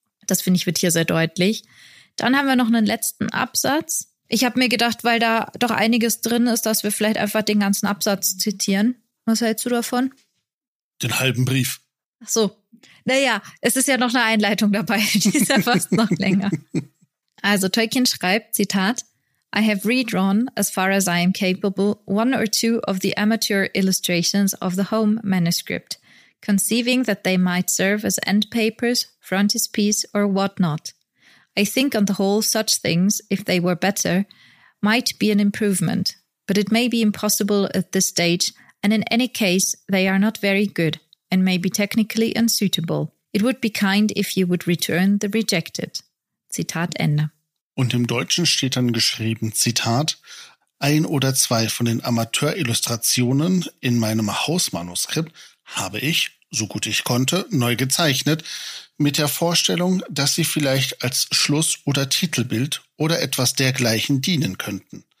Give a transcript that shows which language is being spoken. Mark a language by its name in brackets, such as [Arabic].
[German] Das finde ich wird hier sehr deutlich. Dann haben wir noch einen letzten Absatz. Ich habe mir gedacht, weil da doch einiges drin ist, dass wir vielleicht einfach den ganzen Absatz zitieren. Was hältst du davon? Den halben Brief. Ach so. Naja, es ist ja noch eine Einleitung dabei. Die ist ja fast noch länger. Also Tolkien schreibt, Zitat, [English] I have redrawn, as far as I am capable, one or two of the amateur illustrations of the home manuscript, conceiving that they might serve as end papers, frontispiece, or whatnot. I think on the whole such things, if they were better, might be an improvement, but it may be impossible at this stage, and in any case they are not very good, and may be technically unsuitable. It would be kind if you would return the rejected. [German] Zitat Ende. Und im Deutschen steht dann geschrieben, Zitat, ein oder zwei von den Amateurillustrationen in meinem Hausmanuskript habe ich, so gut ich konnte, neu gezeichnet, mit der Vorstellung, dass sie vielleicht als Schluss- oder Titelbild oder etwas dergleichen dienen könnten.